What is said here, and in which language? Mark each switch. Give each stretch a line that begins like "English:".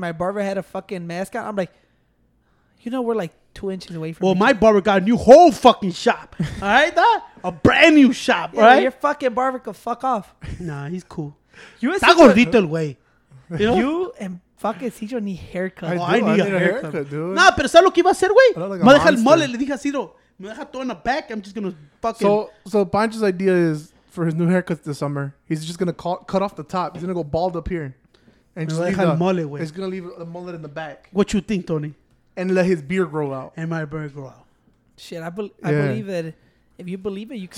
English: My barber had a fucking mask on. I'm like, you know, we're, like, 2 inches away from My barber got a new whole fucking shop. All right, that? A brand new shop, yeah, right? Your fucking barber could fuck off. Nah, he's cool. You and Cicho. Little way. You know? You and fucking Cicho need haircut. I need a haircut, dude.
Spanish: Nah, pero ¿sabes lo que iba a hacer, güey? Me deja el mole, le dije a Cicho. Me deja todo en
English: the back. I'm just going to fucking. So Pancho's idea is for his new haircut this summer, he's just going to cut off the top. He's going to go bald up here. And just leave the mole,
Spanish: güey.
English: He's going to leave the mullet in the back. What you think, Tony? And let his beard grow out. And my beard grow out. Shit, I believe that if you believe it, you can.